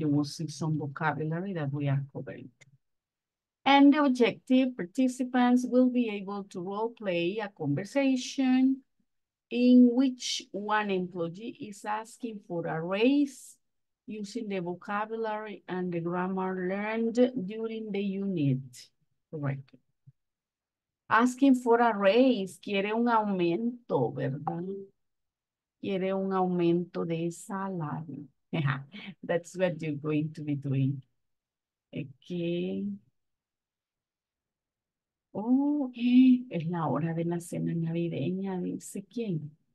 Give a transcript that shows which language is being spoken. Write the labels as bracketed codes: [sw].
[en] You will see some vocabulary that we are covering. And the objective, participants will be able to role play a conversation in which one employee is asking for a raise using the vocabulary and the grammar learned during the unit. Correct. Asking for a raise, [es] quiere un aumento, ¿verdad? Quiere un aumento de salario. [en] Yeah, that's what you're going to be doing. Okay. [es] Oh, es la hora de la cena navideña, dice quién.